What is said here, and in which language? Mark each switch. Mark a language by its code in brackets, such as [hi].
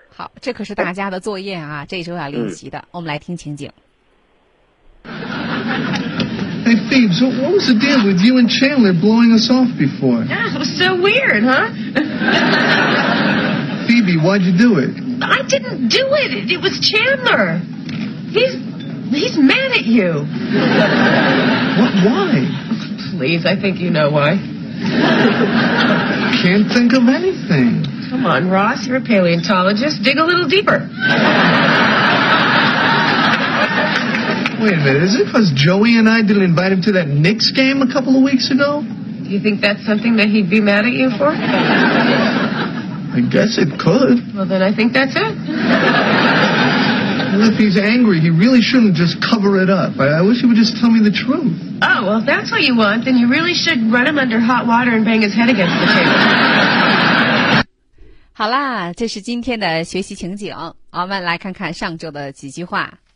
[zh] 好，这可是大家的作业啊，这周要练习的、嗯、我们来听情景。 [en] Hey, Phoebe, so what was the deal with you and Chandler blowing us off before? Yeah, it was so weird, huh? Phoebe, why'd you do it? I didn't do it. It was Chandler. He's mad at you. What? Why? Please, I think you know why. Can't think of anything. Come on, Ross, you're a paleontologist. Dig a little deeper. Wait a minute, is it because Joey and I didn't invite him to that Knicks game a couple of weeks ago? Do you think that's something that he'd be mad at you for? I guess it could. Well, then I think that's it. Well, if he's angry, he really shouldn't just cover it up. I wish he would just tell me the truth. Oh, well, if that's what you want, then you really should run him under hot water and bang his head against the table. [zh] 好啦，这是今天的学习情景，我们来看看上周的几句话。